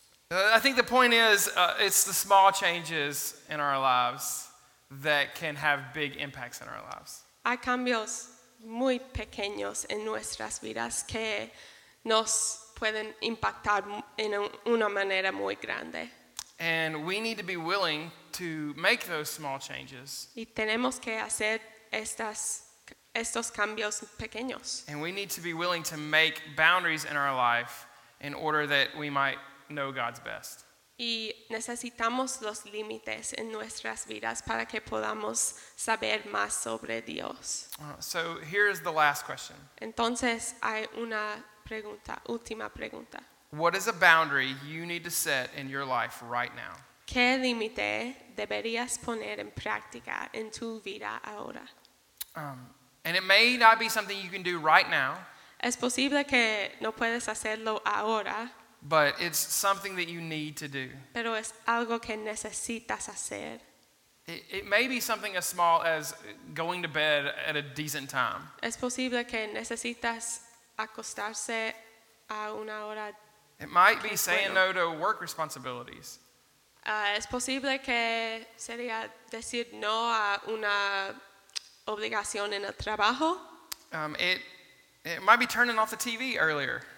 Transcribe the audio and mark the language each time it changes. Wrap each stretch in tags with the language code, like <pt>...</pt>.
<en>I think the point is, it's the small changes in our lives that can have big impacts in our lives.</en> <es>Hay cambios muy pequeños en nuestras vidas que nos pueden impactar en una manera muy grande.</es> <en>And we need to be willing to make those small changes.</en> <es>Y tenemos que hacer estos cambios pequeños.</es> <en>And we need to be willing to make boundaries in our life in order that we might know God's best.</en> <es>Y necesitamos los límites en nuestras vidas para que podamos saber más sobre Dios.</es> <en>So here's the last question.</en> <es>Entonces hay una pregunta, última pregunta.</es> <en>What is a boundary you need to set in your life right now?</en> <es>¿Qué límite deberías poner en práctica en tu vida ahora?</es> <en>And it may not be something you can do right now.</en> <es>Es posible que no puedes hacerlo ahora.</es> <en>But it's something that you need to do.</en> <es>Pero es algo que necesitas hacer.</es> <en>It may be something as small as going to bed at a decent time.</en> <es>Es posible que necesitas acostarse a una hora.</es> <en>It might be saying no to work responsibilities.</en> <es>Es posible que sería decir no a una obligación en el trabajo.</es> <en>It might be turning off the TV earlier.</en>